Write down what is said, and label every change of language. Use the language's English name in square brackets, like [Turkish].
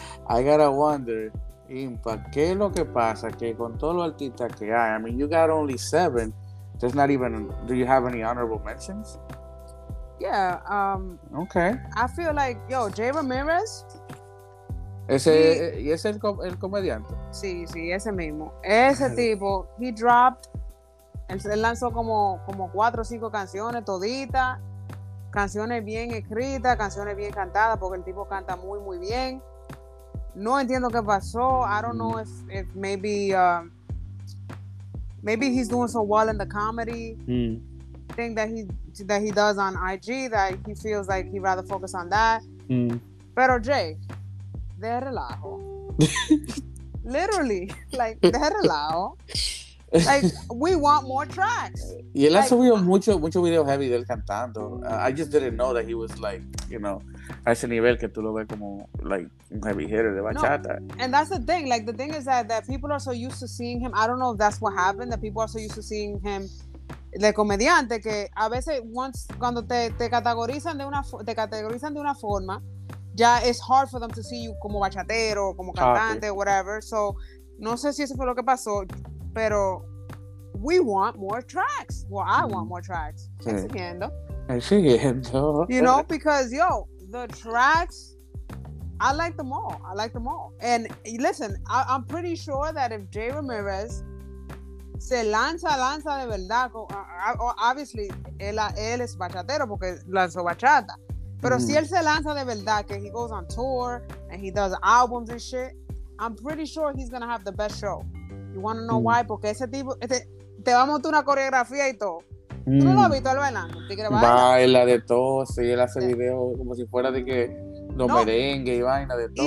[English] I gotta wonder, Impa, [Spanish] ¿qué es lo que pasa? Que con todos los artistas que hay, [English] I mean, you got only 7. There's not even, do you have any honorable mentions? Yeah. Okay. I feel like, yo, Jay Ramirez. [Spanish] Ese es el comediante. Sí, ese mismo. Ese tipo, [English] he dropped, [Spanish] él lanzó como 4 o 5 canciones toditas. Canciones bien escritas, canciones bien cantadas, porque el tipo canta muy, muy bien. No entiendo qué pasó. [English] I don't know if maybe he's doing so well in the comedy thing that he does on IG that he feels like he'd rather focus on that. [Spanish] Pero Jay, de relajo. [English] Literally, like, [Spanish] de relajo. [English] Like, we want more tracks. [Spanish] Y él ha subido mucho video heavy del cantando. [English] I just didn't know that he was like, you know, [Spanish] a ese nivel que tú lo ves como [English] like un heavy hitter de bachata. [Spanish] No, [English] and that's the thing. Like, the thing is that people are so used to seeing him. I don't know if that's what happened, that people are so used to seeing him [Spanish] de comediante, que a veces [English] once cuando te categorizan de una forma, ya it's hard for them to see you [Spanish] como bachatero, como cantante, [English] okay, whatever. [Spanish] So, no sé si eso fue lo que pasó, pero [English] we want more tracks. Well, I want more tracks. [Spanish] Exigiendo. [English] You know, because, yo, the tracks, I like them all. I like them all. And listen, I'm pretty sure that if Jay Ramirez [Spanish] se lanza de verdad, obviously, él es bachatero porque lanzó bachata. Pero si él se lanza de verdad, que [English] he goes on tour and he does albums and shit, I'm pretty sure he's going to have the best show. You want to know why? [Spanish] Porque ese tipo, te va a montar una coreografía y todo. ¿Tú no lo has visto él bailando? Baila de todo, sí, él hace videos como si fuera de que los merengue y vaina de todo.